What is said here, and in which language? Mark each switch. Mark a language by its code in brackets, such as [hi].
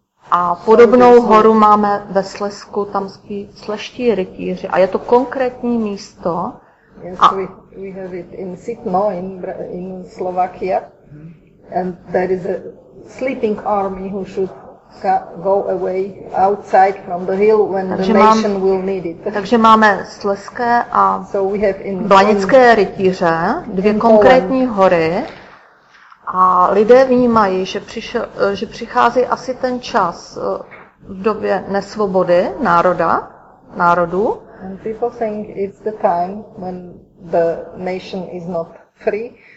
[cs] A podobnou horu máme ve Slezsku, tam spí sleští rytíři. A je to konkrétní místo. [en] Yes, we have it in Sitno, in Slovakia. And there is a sleeping army who should go away outside from the hill when the nation will need it. [cs] Takže máme Slezské a Blanické rytíře, dvě konkrétní hory, a lidé vnímají, že přichází asi ten čas v době nesvobody národů. [en] And people think it's the time when the nation is not free.